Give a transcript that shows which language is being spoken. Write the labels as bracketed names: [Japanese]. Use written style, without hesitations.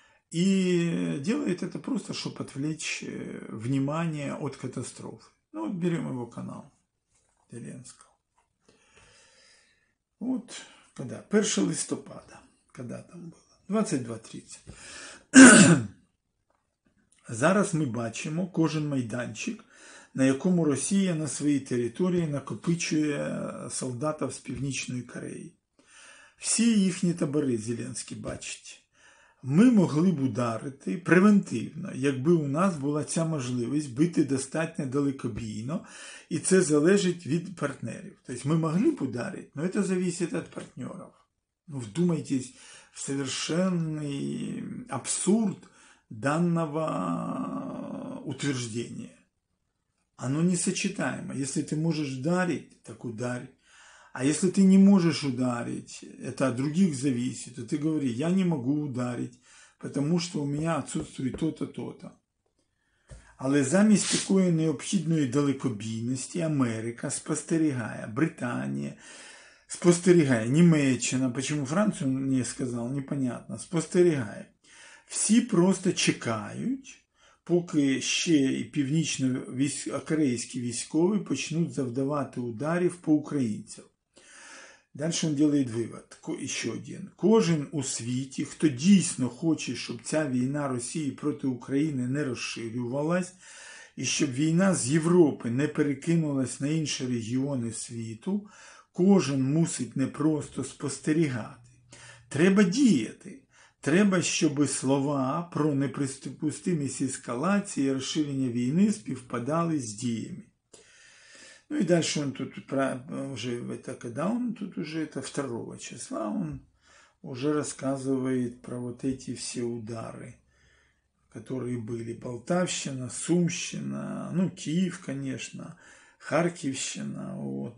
[Russian] И делает это просто, чтобы отвлечь внимание от катастрофы. Ну, вот берем его канал Зеленского. Вот когда, 1 листопада, когда там было, 22.30. [Ukrainian] Зараз мы бачимо кожен майданчик, на якому Росія на своїй території накопичує солдатів з Північної Кореї. Всі їхні табори Зеленський бачить. Ми могли б ударити превентивно, якби у нас була ця можливість бити достатньо далекобійно, і це залежить від партнерів. Тобто ми могли б ударити, але це залежить від партнерів. Ну, [Russian] вдумайтесь в совершенний абсурд даного утверждення. Оно несочетаемо. [Ukrainian] Якщо ти можеш ударити, так ударь. [Russian] А если ты не можешь ударить, это от других зависит, то ты говори, я не могу ударить, потому что у меня отсутствует то-то, то-то. [Ukrainian] Але замість такой необхідної далекобійності Америка спостерігає, Британия спостерігає, Німеччина, [Russian] почему Францию не сказал, непонятно, [Ukrainian] спостерігає. Всі просто чекають, поки ще і північно-корейські військові почнуть завдавати ударів по українцям. [Russian] Дальше он делает вывод, еще один. [Ukrainian] Кожен у світі, хто дійсно хоче, щоб ця війна Росії проти України не розширювалась, і щоб війна з Європи не перекинулась на інші регіони світу, кожен мусить не просто спостерігати. Треба діяти. Треба, щоб слова про неприпустимість ескалації і розширення війни співпадали з діями. [Russian] Ну и дальше он тут уже это когда он тут уже это 2 числа он уже рассказывает про вот эти все удары, которые были. Полтавщина, Сумщина, ну, Киев, конечно, Харківщина. Вот.